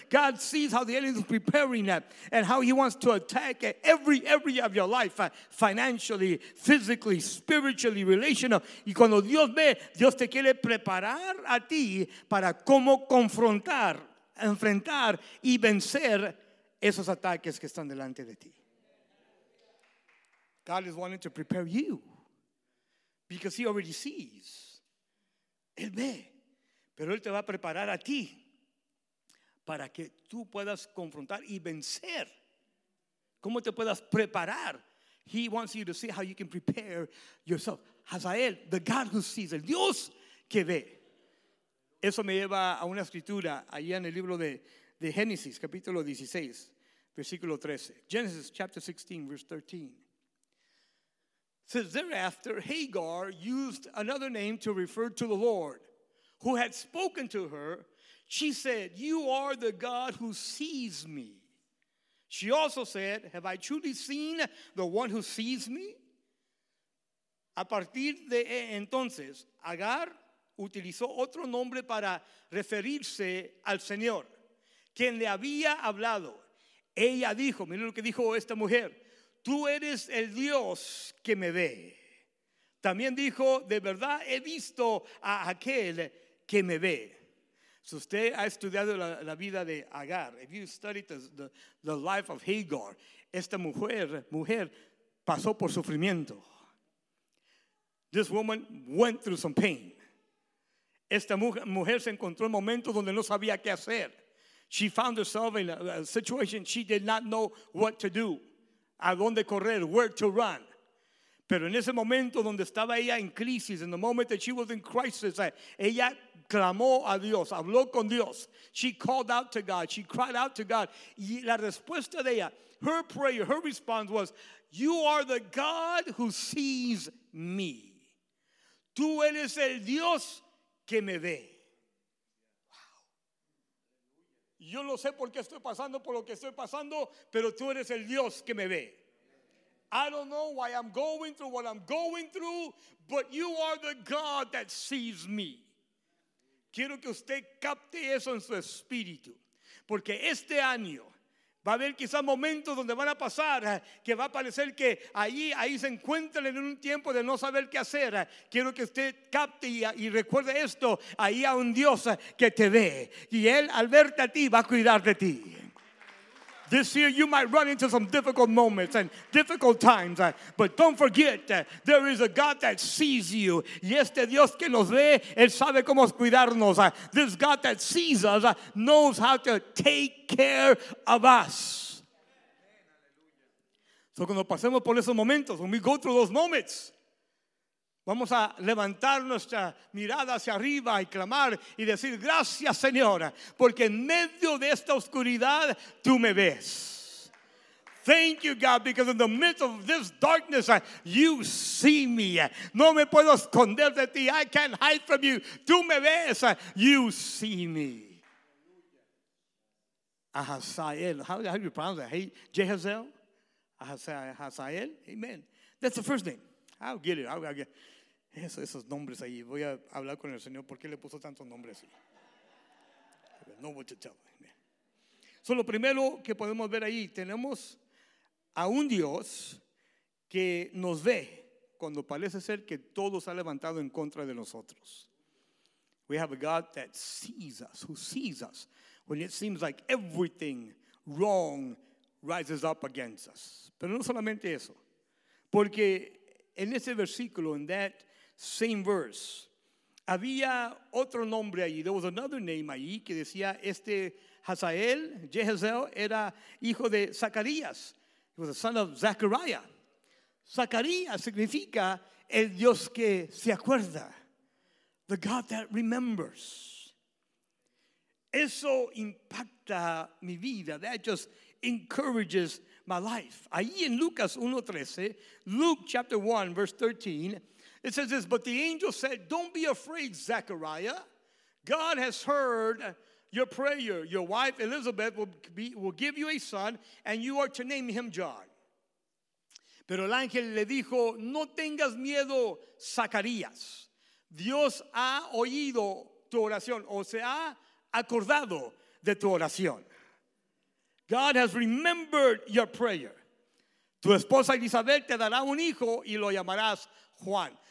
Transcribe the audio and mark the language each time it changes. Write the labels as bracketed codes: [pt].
[en] God sees how the enemy is preparing and how he wants to attack every area of your life, financially, physically, spiritually, relational. [es] Y cuando Dios ve, Dios te quiere preparar a ti para cómo confrontar, enfrentar y vencer esos ataques que están delante de ti. [en] God is wanting to prepare you because he already sees. [es] Él ve, pero él te va a preparar a ti para que tú puedas confrontar y vencer. ¿Cómo te puedas preparar? [en] He wants you to see how you can prepare yourself. Hazael, the God who sees, [es] el Dios que ve. Eso me lleva a una escritura allá en el libro de Génesis, capítulo 16, versículo 13. [en] Genesis chapter 16, verse 13. Says, thereafter, Hagar used another name to refer to the Lord, who had spoken to her. She said, you are the God who sees me. She also said, have I truly seen the one who sees me? [es] A partir de entonces, Hagar utilizó otro nombre para referirse al Señor, quien le había hablado. Ella dijo, miren lo que dijo esta mujer, tú eres el Dios que me ve. También dijo, de verdad he visto a aquel que me ve. Si usted ha estudiado la vida de Agar, [en] if you studied the life of Hagar, [es] esta mujer pasó por sufrimiento. [en] This woman went through some pain. [es] Esta mujer se encontró en momentos donde no sabía qué hacer. [en] She found herself in a situation she did not know what to do. [es] A dónde correr, [en] where to run. [es] Pero en ese momento donde estaba ella en crisis, [en] in the moment that she was in crisis, [es] ella clamó a Dios, habló con Dios. [en] She called out to God. She cried out to God. [es] Y la respuesta de ella, [en] her prayer, her response was, "You are the God who sees me. [es] Tú eres el Dios que me ve." [en] Wow. [es] Yo no sé por qué estoy pasando por lo que estoy pasando, pero tú eres el Dios que me ve. [en] I don't know why I'm going through what I'm going through, but you are the God that sees me. [es] Quiero que usted capte eso en su espíritu, porque este año va a haber quizás momentos donde van a pasar que va a parecer que ahí se encuentran en un tiempo de no saber qué hacer. Quiero que usted capte y recuerde esto, ahí hay un Dios que te ve y Él al verte a ti va a cuidar de ti. [en] This year you might run into some difficult moments and difficult times, but don't forget there is a God that sees you. [es] Y este Dios que nos ve, Él sabe cómo cuidarnos. [en] This God that sees us knows how to take care of us. [es] So cuando pasemos por esos momentos, [en] when we go through those moments, [es] vamos a levantar nuestra mirada hacia arriba y clamar y decir, gracias, Señor, porque en medio de esta oscuridad, tú me ves. [en] Thank you, God, because in the midst of this darkness, you see me. [es] No me puedo esconder de ti. [en] I can't hide from you. [es] Tú me ves. [en] You see me. Ahazael. How do you pronounce that? Hey, Jehazel? Ahazael? Amen. That's the first name. I'll get it. [es] Esos nombres ahí. Voy a hablar con el Señor. ¿Por qué le puso tantos nombres? No voy a decir. So lo primero que podemos ver ahí, tenemos a un Dios que nos ve cuando parece ser que todo se ha levantado en contra de nosotros. [en] We have a God that sees us, who sees us when it seems like everything wrong rises up against us. [es] Pero no solamente eso. Porque en ese versículo, en [en] that same verse, [es] había otro nombre allí. [en] There was another name [es] allí que decía este Hazael, Jehazel, era hijo de Zacarías. [en] He was the son of Zechariah. [es] Zacarías significa el Dios que se acuerda. [en] The God that remembers. [es] Eso impacta mi vida. [en] That just encourages my life. [es] Allí en Lucas 1:13, [en] Luke chapter 1, verse 13, it says this, but the angel said, don't be afraid, Zechariah. God has heard your prayer. Your wife, Elizabeth, will give you a son, and you are to name him John. [es] Pero el ángel le dijo, no tengas miedo, Zacarías. Dios ha oído tu oración, o se ha acordado de tu oración. [en] God has remembered your prayer. [es] Tu esposa Elizabeth te dará un hijo, y lo llamarás Juan.